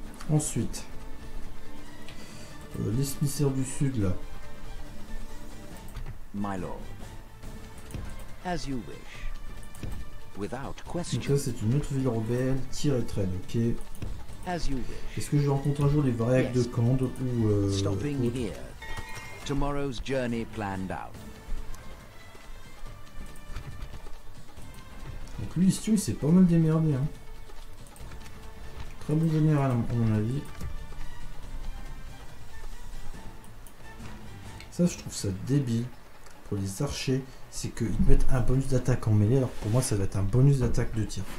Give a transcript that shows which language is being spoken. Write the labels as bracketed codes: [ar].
[fr] Ensuite, l'émissaire du sud là. [en] My lord, as you wish. Without question. [fr] Donc ça c'est une autre ville rebelle, tir et traîne, ok. [en] As you wish. [fr] Est-ce que je rencontre un jour les vrais actes de Kande ou [en] stopping here. Tomorrow's journey planned out. [fr] Donc lui ici, il s'est pas mal démerdé hein. Très bon général à mon avis. Ça je trouve ça débile pour les archers, c'est qu'ils mettent un bonus d'attaque en mêlée, alors pour moi ça doit être un bonus d'attaque de tir.